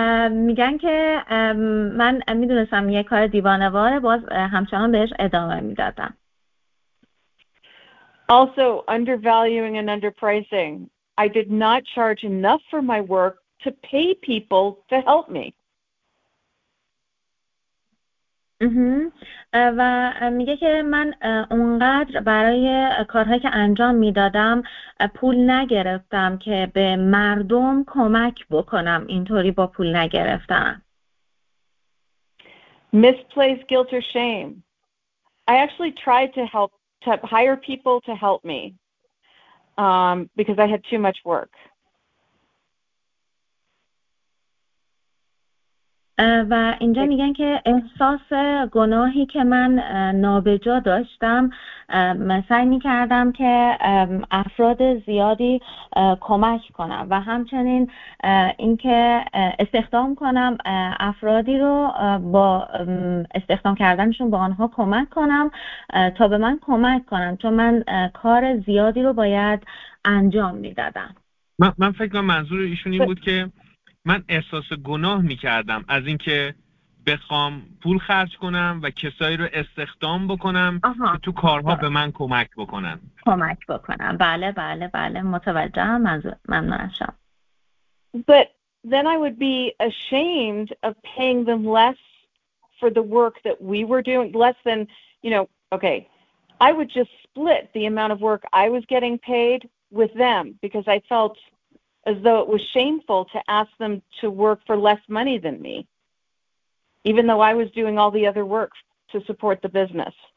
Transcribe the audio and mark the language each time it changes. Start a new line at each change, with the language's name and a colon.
Persian: میگن که من میدونستم یه کار دیوانه‌وار، باز همچنان بهش ادامه میدادم.
English: Also, undervaluing and underpricing. I did not charge enough for my work to pay people to help me.
Persian: و میگه که من اونقدر برای کارهایی که انجام میدادم پول نگرفتم که به مردم کمک بکنم، اینطوری با پول نگرفتم.
English: Misplaced guilt or shame. I actually tried to help to hire people to help me because I had too much work.
Persian: و اینجا میگن که احساس گناهی که من نابجا داشتم، سعی میکردم که افراد زیادی کمک کنم و همچنین اینکه استخدام کنم افرادی رو، با استخدام کردنشون با آنها کمک کنم تا به من کمک کنم، چون من کار زیادی رو باید انجام میدادم. من فکر کنم منظور ایشون این بود که من احساس گناه می کردم از اینکه بخوام پول خرج کنم و کسایی رو استخدام بکنم که تو کارها به من کمک بکنن. کمک بکنم. بله بله بله، متوجهم. ممنون از شما.
English: But then I would be ashamed of paying them less for the work that we were doing, less than, you know, okay. I would just split the amount of work I was getting paid with them because I felt as though it was shameful to ask them to work for less money than me, even though I was doing all the other work to support the business.